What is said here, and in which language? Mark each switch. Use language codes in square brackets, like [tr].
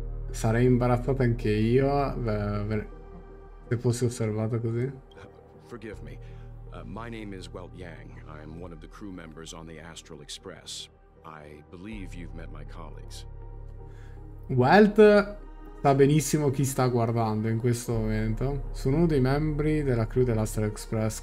[it] Sarei imbarazzata anche io se fossi osservata così. [en] Forgive me. My name is Welt Yang. I'm one of the crew members on the Astral Express. I believe you've met my colleagues. [it] Welt sa benissimo chi sta guardando in questo momento. Sono uno dei membri della crew dell'Astral Express.